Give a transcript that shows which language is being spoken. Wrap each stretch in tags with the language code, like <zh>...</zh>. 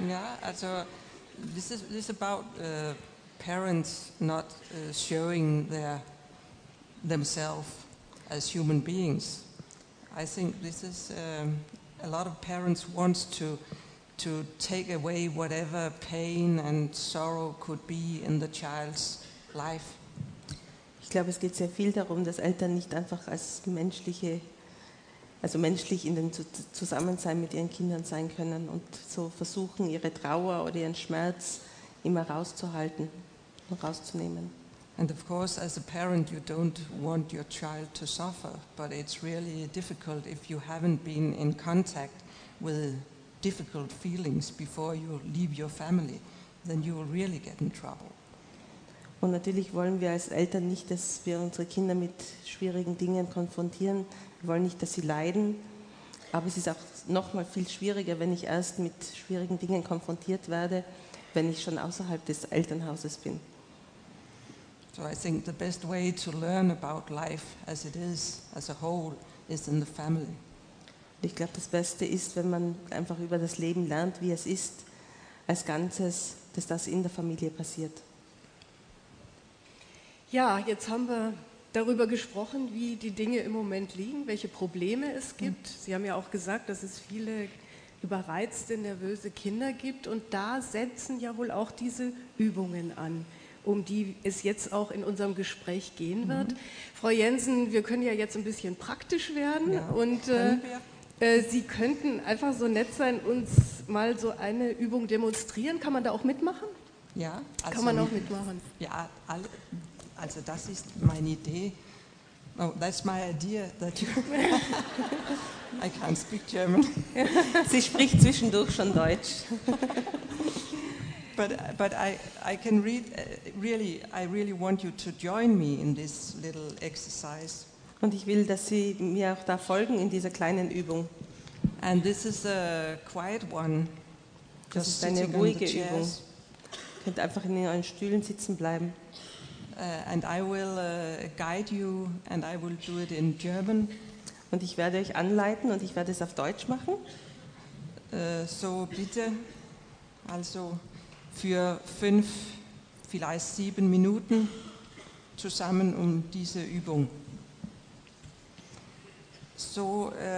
<de>Ja, also</de> <en>this is about parents not showing themselves as human beings. I think this is a lot of parents want to take away whatever pain and sorrow could be in the child's life.</en> <de>Ich glaube, es geht sehr viel darum, dass Eltern nicht einfach als menschliche, also menschlich in dem Zusammensein mit ihren Kindern sein können und so versuchen, ihre Trauer oder ihren Schmerz immer rauszuhalten und rauszunehmen.</de> <en>And of course, as a parent, you don't want your child to suffer, but it's really difficult if you haven't been in contact with difficult feelings before you leave your family, then you will really get in trouble.</en> <de>Und natürlich wollen wir als Eltern nicht, dass wir unsere Kinder mit schwierigen Dingen konfrontieren. Wir wollen nicht, dass sie leiden. Aber es ist auch noch mal viel schwieriger, wenn ich erst mit schwierigen Dingen konfrontiert werde, wenn ich schon außerhalb des Elternhauses bin.</de> <en>So I think the best way to learn about life as it is, as a whole, is in the family.</en> <de>Ich glaube, das Beste ist, wenn man einfach über das Leben lernt, wie es ist, als Ganzes, dass das in der Familie passiert. Ja, jetzt haben wir darüber gesprochen, wie die Dinge im Moment liegen, welche Probleme es gibt. Sie haben ja auch gesagt, dass es viele überreizte, nervöse Kinder gibt und da setzen ja wohl auch diese Übungen an, um die es jetzt auch in unserem Gespräch gehen wird. Mhm. Frau Jensen, wir können ja jetzt ein bisschen praktisch werden, ja, und Sie könnten einfach so nett sein, uns mal so eine Übung demonstrieren. Kann man da auch mitmachen? Ja. Also, kann man auch mitmachen? Ja, also das ist meine Idee.</de> <en>Oh, that's my idea that you... I can't speak German.</en> <de>Sie spricht zwischendurch schon Deutsch.</de> <en>But I can read, really, I really want you to join me in this little exercise.</en> <de>Und ich will, dass Sie mir auch da folgen in dieser kleinen Übung.</de> <en>And this is a quiet one.</en> <de>Das ist eine ruhige Übung. Ihr könnt einfach in euren Stühlen sitzen bleiben.</de> <en>And I will guide you and I will do it in German.</en> <de>Und ich werde euch anleiten und ich werde es auf Deutsch machen. So bitte, also für 5, vielleicht 7 Minuten zusammen um diese Übung. So</de>